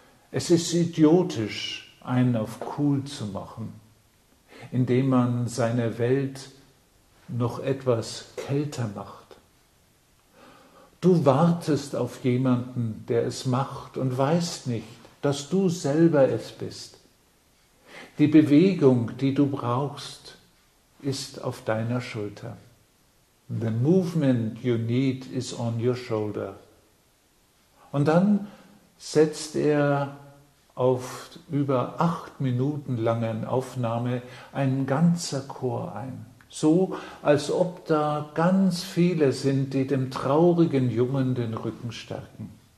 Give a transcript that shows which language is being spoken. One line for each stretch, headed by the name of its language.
German: Es ist idiotisch, einen auf cool zu machen, indem man seine Welt noch etwas kälter macht. Du wartest auf jemanden, der es macht und weißt nicht, dass du selber es bist. Die Bewegung, die du brauchst, ist auf deiner Schulter.
English: The movement you need is on your shoulder.
German: Und dann setzt er auf über 8 Minuten langen Aufnahme ein ganzer Chor ein. So, als ob da ganz viele sind, die dem traurigen Jungen den Rücken stärken.